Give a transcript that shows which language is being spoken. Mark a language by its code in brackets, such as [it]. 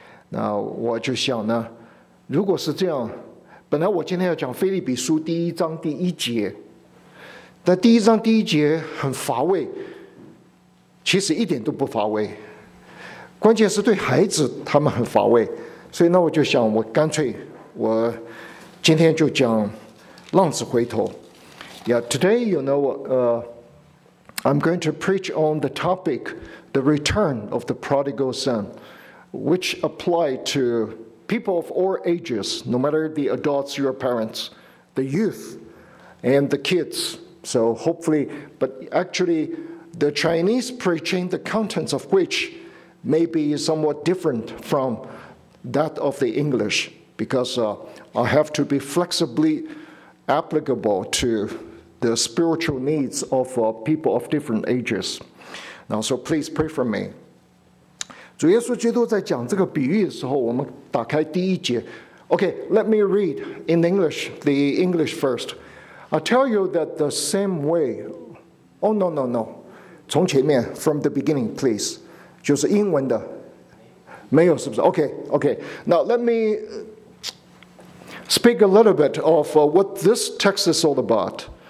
[zh] 那我就想呢，如果是这样，本来我今天要讲腓立比书第一章第一节，但第一章第一节很乏味，其实一点都不乏味，关键是对孩子他们很乏味。所以那我就想，我干脆我今天就讲浪子回头。 [en] Yeah, today, you know, I'm going to preach on the topic, the return of the prodigal son, which apply to people of all ages, no matter the adults, your parents, the youth, and the kids. So hopefully, but actually, the Chinese preaching, the contents of which may be somewhat different from that of the English, because I have to be flexibly applicable to the spiritual needs of people of different ages. Now, so please pray for me. [zh] 主耶稣基督在讲这个比喻的时候，我们打开第一节。 [en] Okay, let me read in English, the English first. I tell you that the same way. Oh, no. [zh] 从前面, [en] from the beginning, please. [zh] 就是英文的。没有是不是? [en] Okay. Now, let me speak a little bit of what this text is all about.